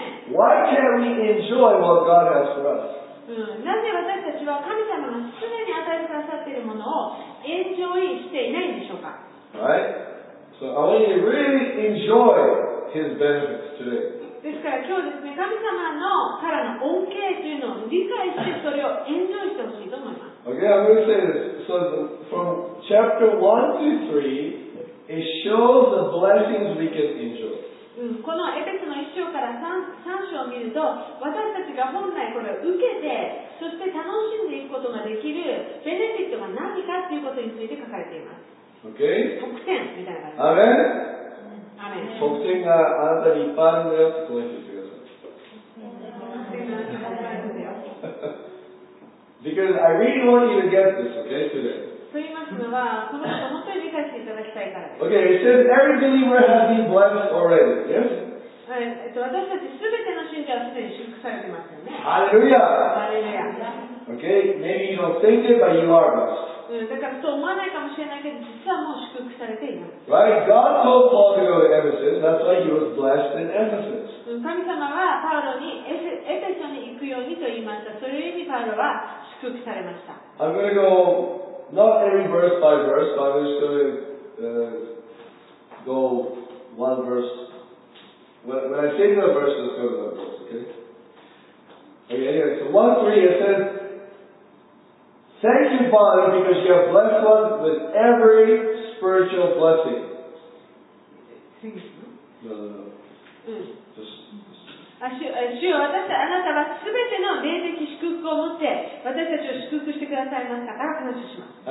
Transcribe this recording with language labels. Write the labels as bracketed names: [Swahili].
[English] Why can't we enjoy what God has for us? [Japanese] なぜ私たちは神様が常に与えてくださっているものをエンジョイしていないんでしょうか [English] Right? So I want you to really enjoy His benefits today. [Japanese] ですから今日ですね、神様のからの恩恵というのを理解してそれをエンジョイしてほしいと思います。 [English] Okay, I'm going to say this. So from chapter 1 to 3, it shows the blessings we can enjoy. [Japanese] このエペソの1章から 3章を見ると私たちが本来これを受けてそして楽しんでいくことができるベネフィットが何かということについて書かれています [English] OK [Japanese] 特典みたいな感じですアメン、アメン特典があなたにいっぱいあるんだよってコメントしてください特典があなたにいっぱいあるんだよ [English] Because I really want you to get this, OK, today [Japanese] と言いますのは、この人本当に理解していただきたいからです。 [English] Okay, it says every believer has been blessed already, yes? [Japanese] 私たち全ての信者はすでに祝福されてますよね。 [English] Hallelujah! Okay, maybe you don't think it, but you are blessed. [Japanese] だからそう思わないかもしれないけど、実はもう祝福されています。 [English] Right? God told Paul to go to Ephesus, that's why he was blessed in Ephesus. [Japanese] 神様はパウロにエペソに行くようにと言いました。それゆえにパウロは祝福されました。 [English] I'm gonna go... Not every verse by verse, but I'm just going to go one verse. When I say the verse, let's go to the verse, okay? Okay, anyway, so 1-3, it says, Thank you, Father, because you have blessed us with every spiritual blessing. Just... [Japanese] 主よ、私あなたはすべての霊的祝福を持って私たちを祝福してくださいましたから感謝します。